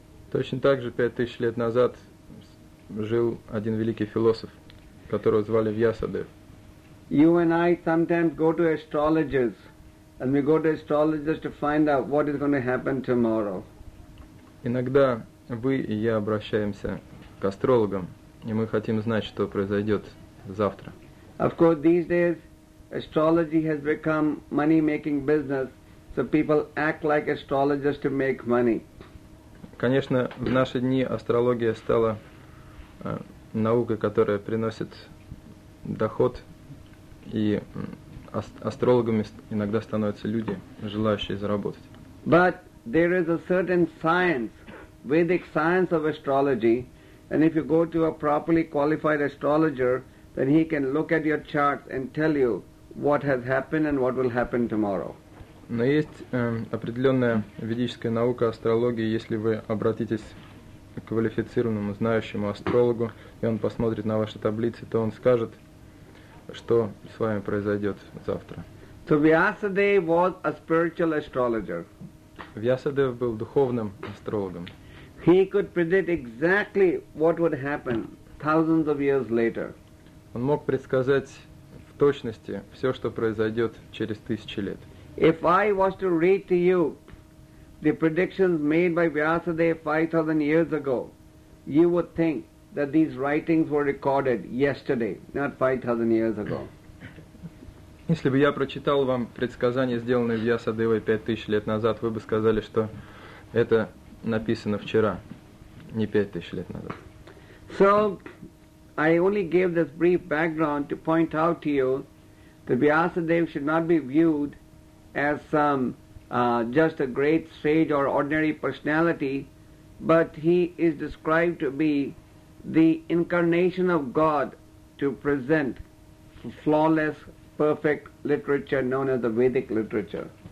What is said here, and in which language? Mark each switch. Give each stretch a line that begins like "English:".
Russian: Точно так же 5000 лет назад жил один великий философ, которого звали Вьясадев.
English: You and I sometimes go to astrologers, and we go to astrologers to find out what is going to happen tomorrow.
Russian: Иногда вы и я обращаемся к астрологам, и мы хотим знать, что произойдет завтра.
English: Of course, these days astrology has become money-making business, so people act like astrologers to make money.
Russian: Конечно, в наши дни астрология стала наукой, которая приносит доход, и астрологами иногда становятся люди, желающие заработать.
English: But there is a certain science, Vedic science of astrology, and if you go to a properly qualified astrologer, then he can look at your charts and tell you what has happened and what will happen tomorrow.
Russian: Но есть определенная ведическая наука астрологии, если вы обратитесь к квалифицированному, знающему астрологу, и он посмотрит на ваши таблицы, то он скажет, что с вами произойдет завтра.
English: So Vyasadeva was a spiritual astrologer.
Russian: Vyasadeva был духовным астрологом.
English: He could predict exactly what would happen thousands of years later.
Russian: Он мог предсказать в точности все, что произойдет через тысячи лет.
English: If I was to read to you the predictions made by Vyasadeva 5,000 years ago, you would think that these writings were recorded yesterday, not 5,000 years ago.
Russian: Если бы я прочитал вам предсказания, сделанные Вьясадевой 5,000 лет назад, вы бы сказали, что это написано вчера, не 5,000 лет назад.
English: So, I only gave this brief background to point out to you that Vyasadeva should not be viewed as some just a great sage or ordinary personality, but he is described to be the incarnation of God to present flawless, perfect literature known as the Vedic literature.